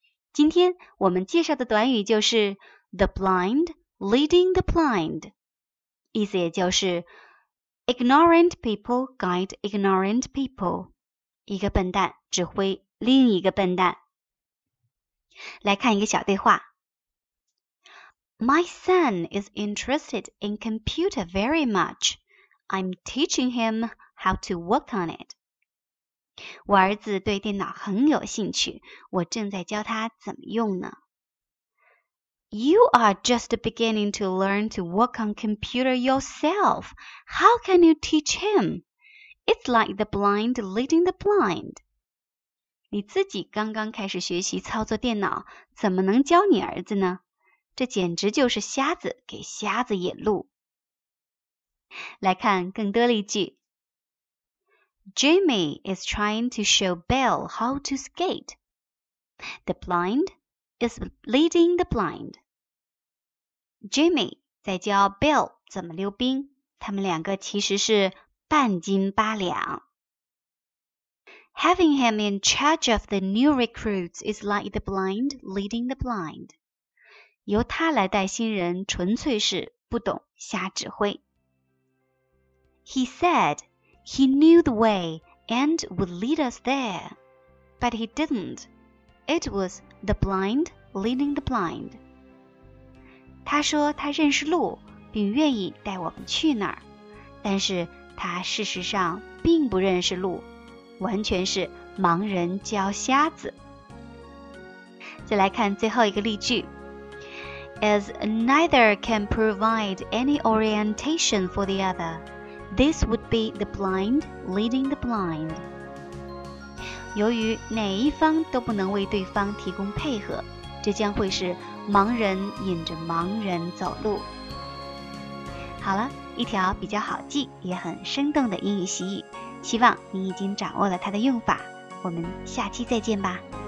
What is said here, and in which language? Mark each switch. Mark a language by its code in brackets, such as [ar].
[zh] 今天我们介绍的短语就是 [en] the blind leading the blind， [zh] 意思也就是 [en] ignorant people guide ignorant people， [zh] 一个笨蛋指挥另一个笨蛋。来看一个小对话。 [en] My son is interested in computer very much. I'm teaching him how to work on it. [zh] 我儿子对电脑很有兴趣，我正在教他怎么用呢。 [en] You are just beginning to learn to work on computer yourself. How can you teach him? It's like the blind leading the blind. [zh] 你自己刚刚开始学习操作电脑，怎么能教你儿子呢？这简直就是瞎子给瞎子引路。来看更多例句。 [en] Jimmy is trying to show Belle how to skate. The blind is leading the blind. [zh] Jimmy 在教 Belle 怎么溜冰，他们两个其实是半斤八两。 [en] Having him in charge of the new recruits is like the blind leading the blind. [zh] 由他来带新人纯粹是不懂瞎指挥。 [en] He said he knew the way and would lead us there. But he didn't. It was the blind leading the blind. [zh] 他说他认识路并愿意带我们去那儿，但是他事实上并不认识路，完全是盲人教瞎子。再来看最后一个例句。 [en] As neither can provide any orientation for the other, this would be the blind leading the blind. [zh] 由于哪一方都不能为对方提供配合，这将会是盲人引着盲人走路。好了，一条比较好记也很生动的英语习语，希望你已经掌握了它的用法，我们下期再见吧。